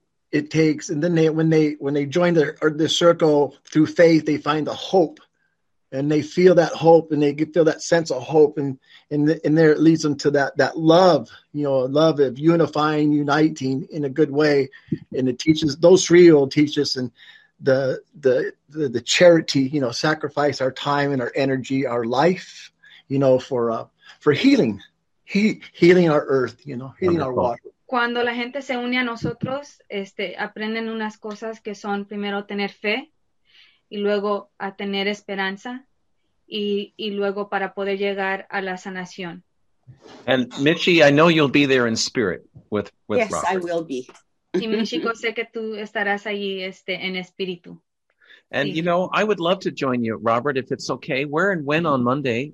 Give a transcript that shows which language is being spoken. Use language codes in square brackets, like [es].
[en] It takes, and then when they join the circle through faith, they find the hope, and they feel that hope, and they feel that sense of hope, and there it leads them to that love, you know, love of unifying, uniting in a good way, and it teaches those three will teach us and the charity, you know, sacrifice our time and our energy, our life, you know, for healing, healing our earth, you know, healing our water. [es] Cuando la gente se une a nosotros, aprenden unas cosas que son primero tener fe y luego a tener esperanza y luego para poder llegar a la sanación. [en] And Michi, I know you'll be there in spirit with yes, Robert. Yes, I will be. [es] Y Michiko, sé que tú estarás allí en espíritu. [en] And sí. You know, I would love to join you, Robert, if it's okay. Where and when on Monday?